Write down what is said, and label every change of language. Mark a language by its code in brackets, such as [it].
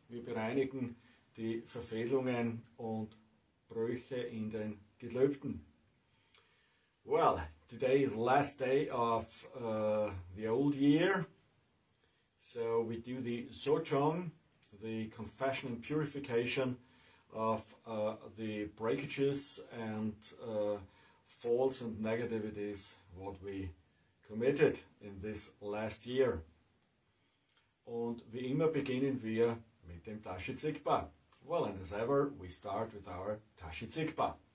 [de] Wir bereinigen die Verfehlungen und Brüche in den Gelübden. [en] Well, today is the last day of the old year. So we do the Sojong, the confession and purification of the breakages and faults and negativities what we committed in this last year. [de] Und wie immer beginnen wir mit dem Tashi Tzigpa. [en] Well, and as ever, we start with our Tashi Tzigpa.